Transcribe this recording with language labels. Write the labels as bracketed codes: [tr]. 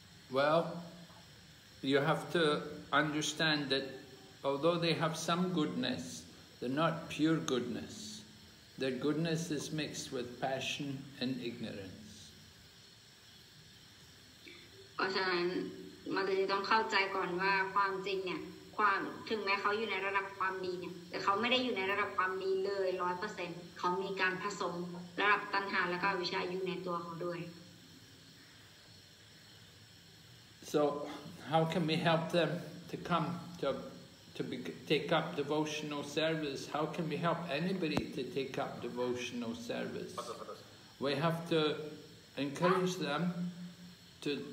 [en] Well, you have to understand that although they have some goodness, they're not pure goodness. Their goodness is mixed with passion and ignorance. [th] Ajahn,มันจะต้องเข้าใจก่อนว่าความจริงเนี่ยความถึงแม้เขาอยู่ในระดับความดีเนี่ยแต่เขาไม่ได้อยู่ในระดับความดีเลย 100% เขามีการผสมระดับตัณหาแล้วก็วิชาอยู่ในตัวเขาด้วย [en] So how can we help them to come to take up devotional service? How can we help anybody to take up devotional service? We have to encourage them to